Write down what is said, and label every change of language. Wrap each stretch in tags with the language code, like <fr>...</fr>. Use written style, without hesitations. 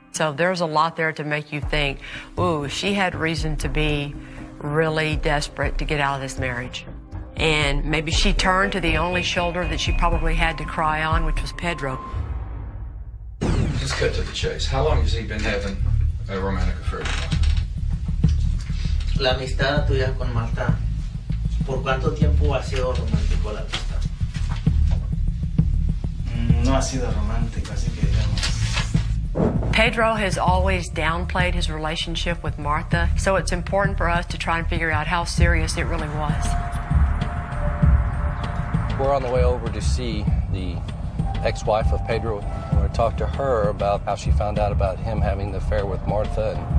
<en>So there's a lot there to make you think, ooh, she had reason to be really desperate to get out of this marriage. And maybe she turned to the only shoulder that she probably had to cry on, which was Pedro. Let's cut to the chase. How long has he been having a romantic affair?</en> <es>La amistad tuya con Marta. ¿Por cuánto tiempo ha sido romántico la amistad? No ha sido romántico, así que digamos.</es> <en>Pedro has always downplayed his relationship with Martha, so it's important for us to try and figure out how serious it really was. We're on the way over to see the ex-wife of Pedro. We're going to talk to her about how she found out about him having the affair with Martha.</en>